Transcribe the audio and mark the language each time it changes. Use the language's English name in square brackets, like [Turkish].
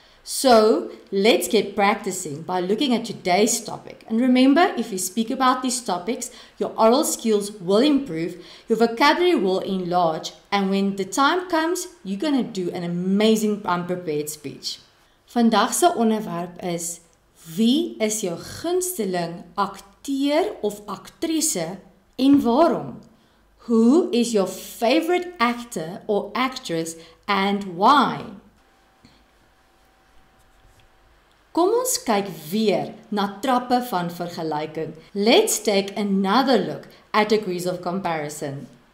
[English] So, let's get practicing by looking at today's topic. And remember, if you speak about these topics, your oral skills will improve, your vocabulary will enlarge, and when the time comes, you're going to do an amazing unprepared speech. [Afrikaans] Vandag se onderwerp is, wie is jou gunsteling acteur of actrice en waarom? [English] Who is your favorite actor or actress and why? [Afrikaans] Kom ons kyk weer na trappe van vergelyking. [English] Let's take another look at degrees of comparison.